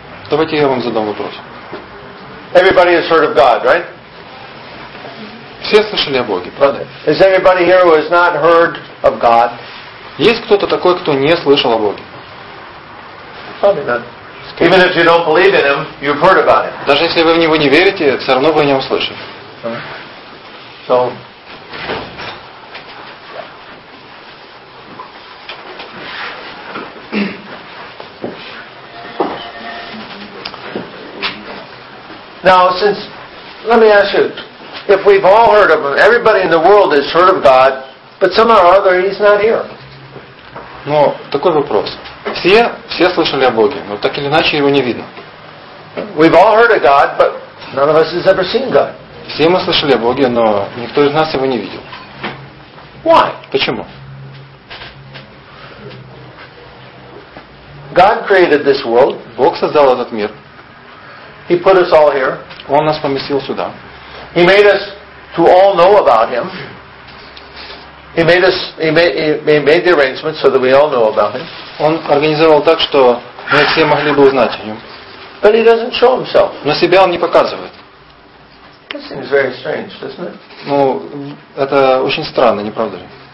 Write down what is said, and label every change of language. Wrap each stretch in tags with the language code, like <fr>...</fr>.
<ru>Давайте я вам задам вопрос.</ru> <en>Everybody has heard of God, right?</en> <ru>Все слышали о Боге, правда?</ru> <en>Is everybody here who has not heard of God?</en> <ru>Есть кто-то такой, кто не слышал о Боге?</ru> <en>Probably not. Even if you don't believe in Him, you've heard about Him.</en> <ru>Даже если вы в Него не верите, все равно вы о Нем слышали.</ru> <en>So. Now, since, let me ask you, if we've all heard of Him, everybody in the world has heard of God, but somehow or other, He's not here.</en> <ru>Но такой вопрос. Все слышали о Боге, но так или иначе его не видно.</ru> <en>We've all heard of God, but none of us has ever seen God.</en> <ru>Все мы слышали о Боге, но никто из нас его не видел.</ru> <en>Why?</en> <ru>Почему?</ru> <en>God created this world.</en> <ru>Бог создал этот мир.</ru> <en>He put us all here.</en> <ru>Он нас поместил сюда.</ru> <en>He made us to all know about Him. He made the arrangements so that we all know about Him.</en> <ru>Он организовал так, что мы все могли бы узнать о Нем.</ru> <en>But He doesn't show Himself.</en> <ru>Но себя Он не показывает.</ru> <en>This seems very strange, doesn't it?</en> <ru>Ну, это очень странно, не правда ли?</ru>